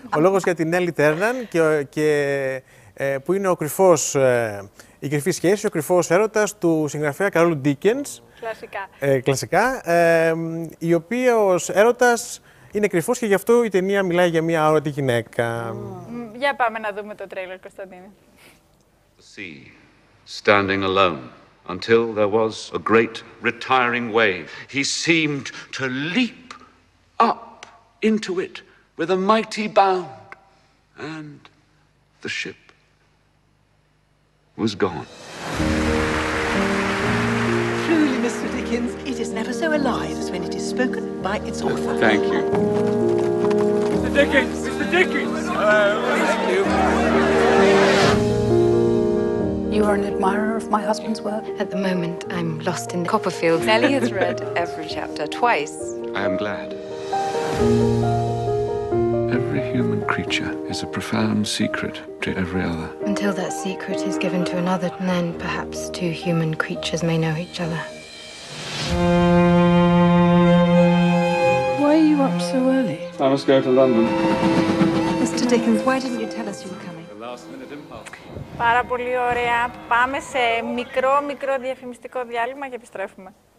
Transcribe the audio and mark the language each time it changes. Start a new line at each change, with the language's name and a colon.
Greek: Ο λόγος για την Έλλη Τέρναν και που είναι ο κρυφός... Η κρυφή σχέση, ο κρυφός έρωτας του συγγραφέα Καρόλ Ντίκενς. Κλασικά. Η οποία ο έρωτας είναι κρυφός και γι' αυτό η ταινία μιλάει για μια αόρατη γυναίκα. Για πάμε να δούμε το τρέιλερ, Κωνσταντίνη.
English: The sea, standing alone, until there was a great retiring wave. He seemed to leap up into it with a mighty bound. And the ship was gone. Truly, Mr. Dickens, it is never so alive as when it is spoken by its author. Thank you. Mr. Dickens! Mr. Dickens! Hello. You are an admirer of my husband's work? At the moment, I'm lost in Copperfield. Nellie has read every chapter twice. I am glad. Every human creature is a profound secret to every other. Until that secret is given to another, and then perhaps two human creatures may know each other. Why are you up so early? I must go to London. Mr. Dickens, why didn't you tell us you were coming? The last minute impulse.
Greek: Πάρα πολύ ωραία. Πάμε σε μικρό διαφημιστικό διάλειμμα και επιστρέφουμε.